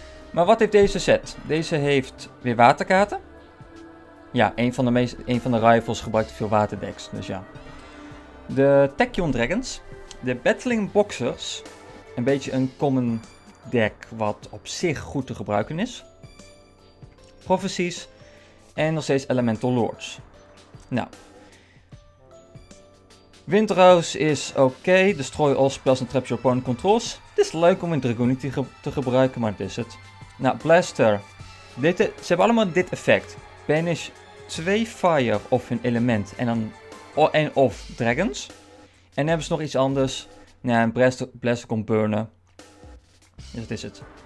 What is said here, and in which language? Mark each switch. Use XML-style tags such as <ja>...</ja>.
<nl>Maar wat heeft deze set? Deze heeft weer waterkaarten. Ja, een van de rivals gebruikt veel waterdecks, dus ja. De Tekken Dragons, de Battling Boxers, een beetje een common deck wat op zich goed te gebruiken is. Prophecies en nog steeds Elemental Lords. Nou, Windrose is oké,</nl> <en>destroy all spells and trap your opponent controls.</en> <nl>Het is leuk om een Dragoonity te gebruiken, maar het is het. Nou, Blaster. Ze hebben allemaal dit effect.</nl> <en>Banish 2 fire</en> <nl>of hun element en dan en of dragons. En dan hebben ze nog iets anders. Nou, een Blaster kon burnen. Dus dat is het.</nl>